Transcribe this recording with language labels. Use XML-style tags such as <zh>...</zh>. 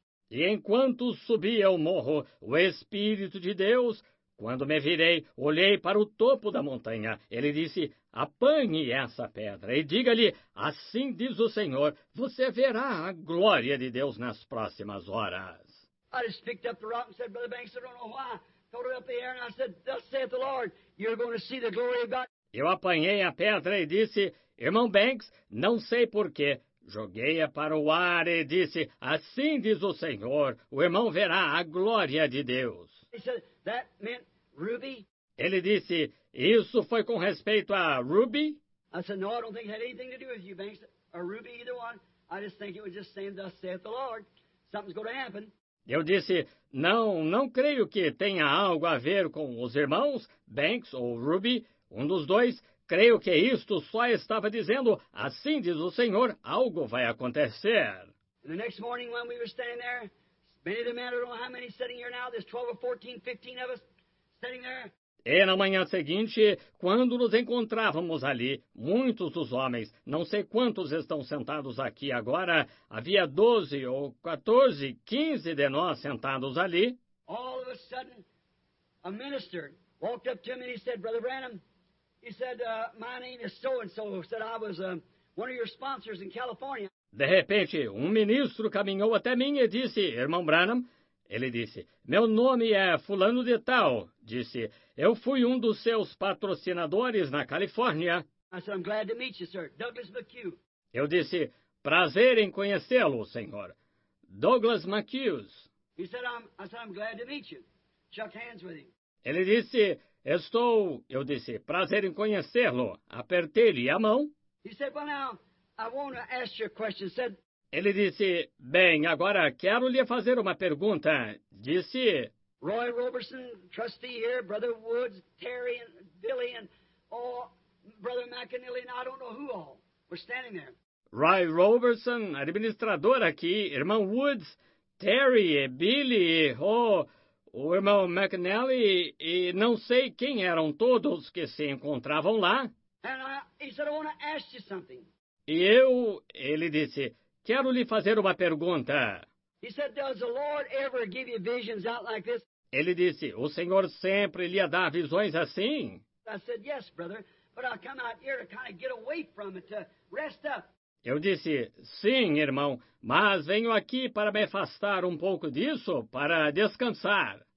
<pt>E enquanto subia o morro, o Espírito de Deus, quando me virei, olhei para o topo da montanha. Ele disse, apanhe essa pedra e diga-lhe, assim diz o Senhor, você verá a glória de Deus nas próximas horas.</pt> <en>I just picked up the rock and said, Brother Banks, I don't know why. Throw it up the air and I said, thus saith the Lord, you're going to see the glory of God.</en> <pt>Eu apanhei a pedra e disse, irmão Banks, não sei porquê. Joguei-a para o ar e disse, assim diz o Senhor, o irmão verá a glória de Deus.</pt> <en>He said, that meant Ruby?</en> <pt>Ele disse, isso foi com respeito a Ruby?</pt> <en>I said, no, I don't think it had anything to do with you, Banks, or Ruby, either one. I just think it was just saying, thus saith the Lord, something's going to happen.</en> <pt>Eu disse, não, não creio que tenha algo a ver com os irmãos, Banks ou Ruby, um dos dois. Creio que isto só estava dizendo, assim diz o Senhor, algo vai acontecer.</pt> <en>And the next morning when we were standing there, many of the men, I don't know how many sitting here now, there's 12 or 14, 15 of us sitting there.</en> <pt>E na manhã seguinte, quando nos encontrávamos ali, muitos dos homens, não sei quantos estão sentados aqui agora, havia 12 ou 14, 15 de nós sentados ali.</pt> <en>All of a sudden, a minister walked up to me and he said, Brother Branham, he said, my name is so-and-so, said I was one of your sponsors in California.</en> <pt>De repente, um ministro caminhou até mim e disse, irmão Branham, ele disse, meu nome é fulano de tal, disse, eu fui um dos seus patrocinadores na Califórnia.</pt> <en>I said, I'm glad to meet you, sir. Douglas McHugh.</en> <pt>Eu disse, prazer em conhecê-lo, senhor. Douglas McHugh.</pt> <en>He said, I'm glad to meet you. Shook hands with him.</en> <pt>Ele disse, eu disse, prazer em conhecê-lo. Apertei-lhe a mão.</pt> <en>He said, well now, I want to ask you a question. Said,</en> <pt>ele disse, bem, agora quero lhe fazer uma pergunta. Disse,</pt> <en>Roy Roberson, trustee here, Brother Woods, Terry and Billy and all, Brother McAnally and I don't know who all were standing there.</en> <pt>Roy Roberson, administrador aqui, irmão Woods, Terry e Billy, o irmão McAnally e não sei quem eram todos que se encontravam lá.</pt> <en>And he said, I want to ask you something.</en> <pt>E eu, ele disse, quero lhe fazer uma pergunta.</pt> <en>He said, does the Lord ever give you visions out like this?</en> <pt>Ele disse, o Senhor sempre lhe dá visões assim?</pt> <en>I said, yes, brother, but I'll come out here to kind of get away from it, to rest up.</en> <pt>Eu disse, sim, irmão, mas venho aqui para me afastar um pouco disso, para descansar.</pt>